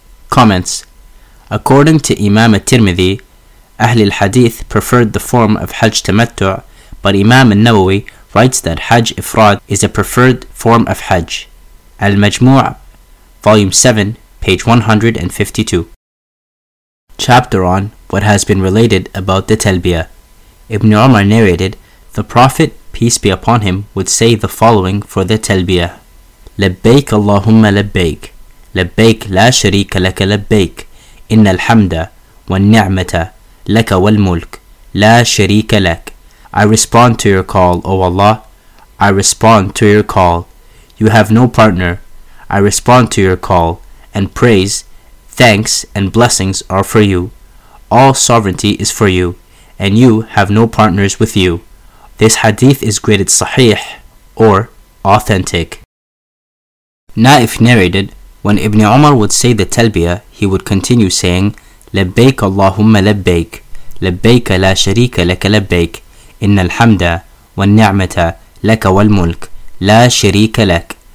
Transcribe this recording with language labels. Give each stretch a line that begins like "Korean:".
English: Comments: according to Imam at-Tirmidhi, Ahlul Hadith preferred the form of Hajj Tamattu', but Imam al-Nawawi writes that Hajj Ifrād is a preferred form of Hajj. Al-Majmu' Volume 7, page 152. Chapter on what has been related about the Talbiyah. Ibn Umar narrated, the Prophet, peace be upon him, would say the following for the Talbiyah:
Arabic: لبيك اللهم لبيك لبيك لا شريك لك لبيك إن الحمد والنعمة لك والملك لا شريك لك.
English: I respond to your call, O Allah. I respond to your call. You have no partner. I respond to your call, and praise, thanks, and blessings are for you. All sovereignty is for you, and you have no partners with you. This hadith is graded sahih, or authentic. Naif narrated, when Ibn Umar would say the Talbiyah, he would continue saying,
Arabic: لبيك اللهم لبيك لبيك لا شريك لك لبيك إن الحمد والنعمة لك والملك لا شريك لك.